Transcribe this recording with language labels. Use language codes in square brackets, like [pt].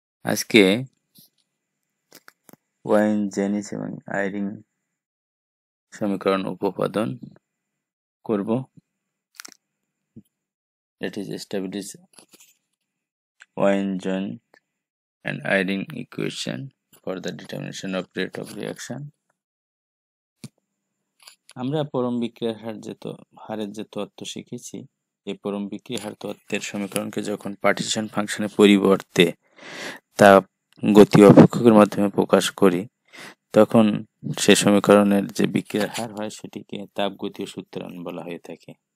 [bn] আজকে ওয়াইন-জেনিস এবং আইরিং সমীকরণ উপপাদন করব। [en] That is established Wyne-Jones and Erying equation for the determination of rate of reaction. [bn] আমরা পরম বিক্রিয়ার হার যেহেতু হারের যে তত্ত্ব শিখেছি, এই পরম বিক্রিয়ার তত্ত্বের সমীকরণকে যখন পার্টিশন ফাংশনে পরিবর্তে তা গতি অপেক্ষকের মাধ্যমে প্রকাশ করি, তখন সে সমীকরণের যে বিক্রিয়ার হার হয় সেটিকে তাপগতীয় সূত্রণ বলা হয়ে থাকে।